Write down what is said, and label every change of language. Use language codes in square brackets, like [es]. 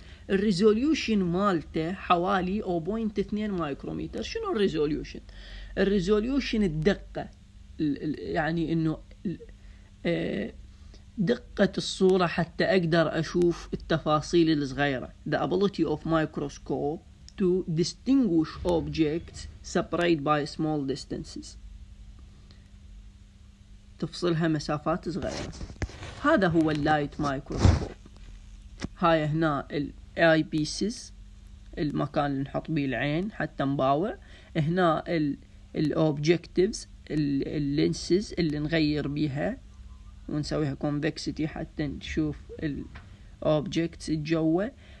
[ar] الريزوليوشن مالته حوالي 0.2 مايكرومتر. شنو الريزوليوشن؟ الريزوليوشن الدقة، يعني إنه دقة الصورة حتى أقدر أشوف التفاصيل الصغيرة. [en] The ability of microscope to distinguish objects separate by small distances، [ar] تفصلها مسافات صغيرة. هذا هو اللايت مايكروسكوب. هاي هنا الاي بيسز، المكان اللي نحط به العين حتى نباوع. هنا الاوبجكتيفز، اللينسز اللي نغير بيها ونسويها كونفكسيتي حتى نشوف الاوبجكتس الجوة.